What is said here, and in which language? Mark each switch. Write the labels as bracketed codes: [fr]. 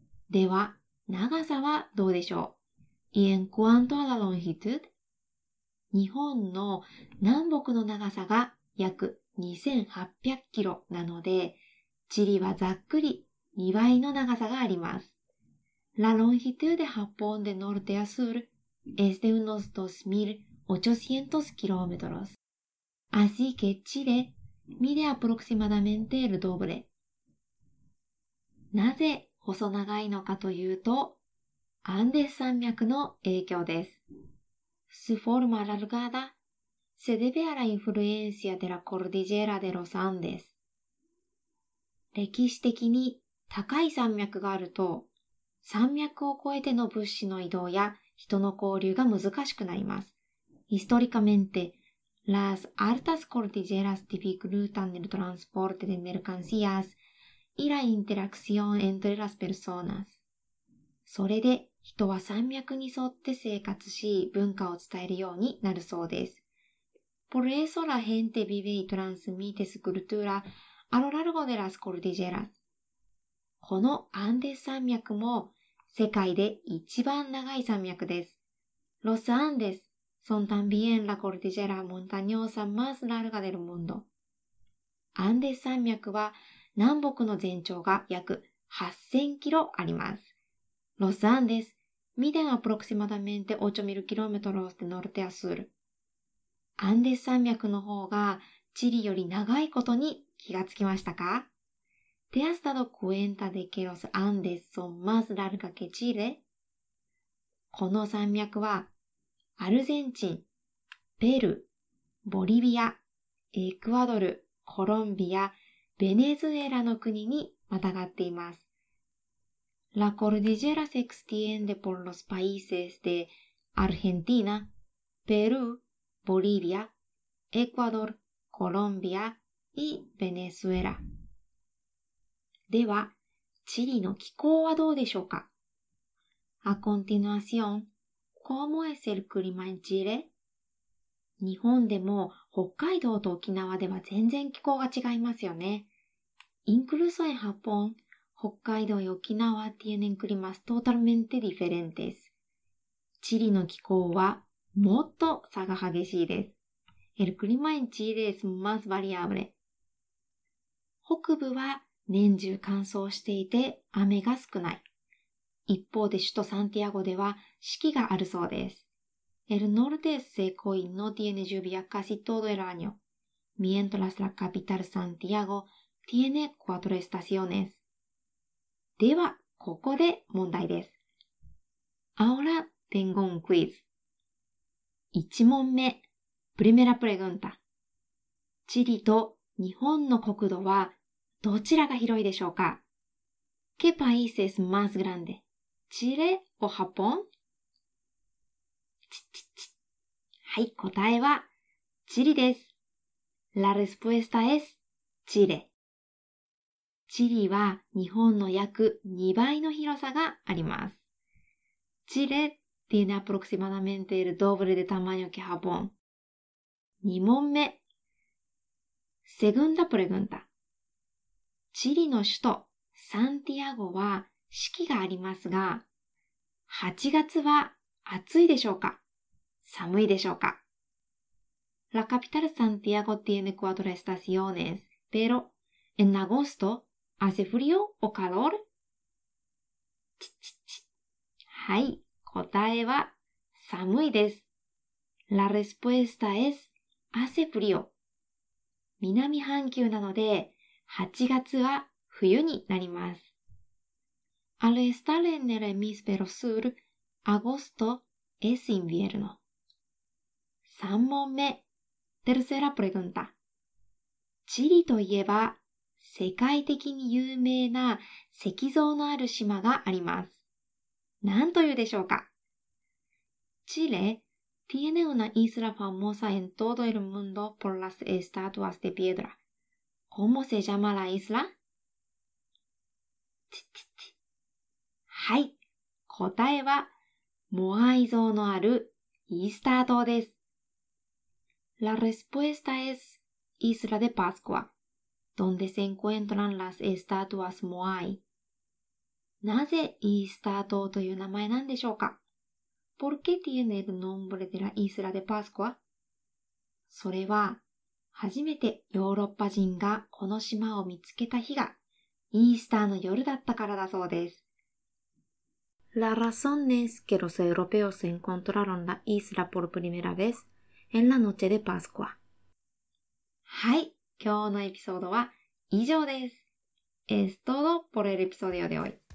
[ja] では、長さはどうでしょう? [es] Y en cuanto a la longitud? [ja] 日本の南北の長さが約2800キロなので、チリはざっくり2倍の長さがあります。 [es] La longitud de Japón de norte a sur es de unos 2800 kilómetros. Así que Chile mide aproximadamente el doble. [ja] なぜ細長いのかというと、アンデス山脈の影響です。 [es] Su forma alargada se debe a la influencia de la cordillera de los Andes. [ja] 歴史的に高い山脈があると、山脈を越えての物資の移動や人の交流が難しくなります。 [es] Históricamente, las altas cordilleras dificultan el transporte de mercancías y la interacción entre las personas. [ja] それで、人は山脈に沿って生活し、文化を伝えるようになるそうです。 [es] Por eso la gente vive y transmite su cultura a lo largo de las cordilleras. [ja] このアンデス山脈も世界で一番長い山脈です。 [es] Los Andes son también la cordillera montañosa más larga del mundo. [ja] アンデス山脈は南北の全長が約8000キロあります。 [es] Los Andes miden aproximadamente 8000 kilómetros de norte a sur. [ja] アンデス山脈の方がチリより長いことに気がつきましたか [es] ?Te has dado cuenta de que los Andes son más largos que Chile? [ja] この山脈はアルゼンチン、ペルー、ボリビア、エクアドル、コロンビア、ベネズエラの国にまたがっています。 [es] La cordillera se extiende por los países de Argentina, Perú,ボリビア、エクアドル、コロンビア、イ・ベネズエラ。 [ja] では、チリの気候はどうでしょうか? [es] A continuación, ¿cómo es el clima en Chile? [ja] 日本でも北海道と沖縄では全然気候が違いますよね。 [es] Incluso en Japón, 北海道や沖縄 tienen climas totalmente diferentes. [ja] チリの気候はもっと差が激しいです。 [es] El clima en Chile es más variable. [ja] 北部は年中乾燥していて雨が少ない。一方で首都サンティアゴでは四季があるそうです。 [es] El norte es seco y no tiene lluvia casi todo el año. Mientras la capital Santiago tiene cuatro estaciones. [ja] では、ここで問題です。 [es] Ahora tengo un quiz. [ja] 一問目、 [es] primera pregunta。 [ja] チリと日本の国土はどちらが広いでしょうか ? [es] ¿Qué país es más grande? チリ o Japón? [ja] はい、答えはチリです。 [es] La respuesta es チリ。 [ja] チリは日本の約2倍の広さがあります。 [es] チリTiene aproximadamente el doble de tamaño que Japón. [ja] 2問目 [es] Segunda pregunta. [ja] チリの首都サンティアゴは四季がありますが、8月は暑いでしょうか寒いでしょうか [es] La capital Santiago tiene cuatro estaciones, pero en agosto hace frío o calor? [ja] はい。答えは寒いです。 [es] La respuesta es hace frío. [ja] 南半球なので8月は冬になります。 [es] Al estar en el hemisferio sur, agosto es invierno. [ja] 3問目 [es] Tercera pregunta. [ja] チリといえば世界的に有名な石像のある島があります。何というでしょうか [es] Chile tiene una isla famosa en todo el mundo por las estatuas de piedra. ¿Cómo se llama la isla? [ja] はい、答えはモアイ像のあるイースター島です。 [es] La respuesta es Isla de Pascua, donde se encuentran las estatuas Moai. [ja] なぜイースター島という名前なんでしょうか? [es] ¿Por qué tiene el nombre de la Isla de Pascua? [ja] それは、初めてヨーロッパ人がこの島を見つけた日が、イースターの夜だったからだそうです。 [es] La razón es que los europeos encontraron la isla por primera vez en la noche de Pascua. [ja] はい、今日のエピソードは以上です。 [es] Es todo por el episodio de hoy.